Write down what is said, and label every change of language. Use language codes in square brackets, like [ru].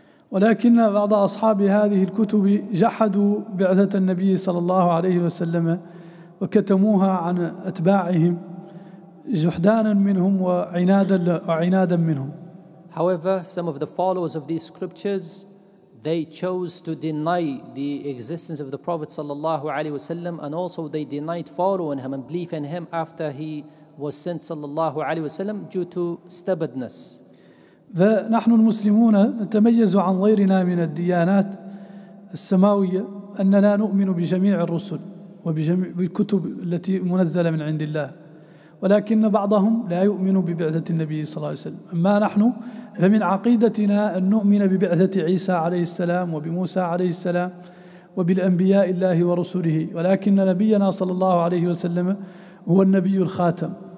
[ar] ولكن بعض أصحاب هذه الكتب جحدوا بعثة النبي صلى الله عليه وسلم وكتموها عن أتباعهم جحدانا منهم وعنادا منهم. [en] However, some of the followers of these scriptures, they chose to deny the existence of the Prophet sallallahu alaihi wasallam, and also they denied following him and believing in him after he was sent sallallahu alaihi wasallam due to stubbornness. [ar] فنحن المسلمون نتميز عن غيرنا من الديانات السماوية أننا نؤمن بجميع الرسل وبالكتب التي منزلة من عند الله, ولكن بعضهم لا يؤمن ببعثة النبي صلى الله عليه وسلم. أما نحن فمن عقيدتنا أن نؤمن ببعثة عيسى عليه السلام وبموسى عليه السلام وبالأنبياء الله ورسله, ولكن نبينا صلى الله عليه وسلم هو النبي الخاتم.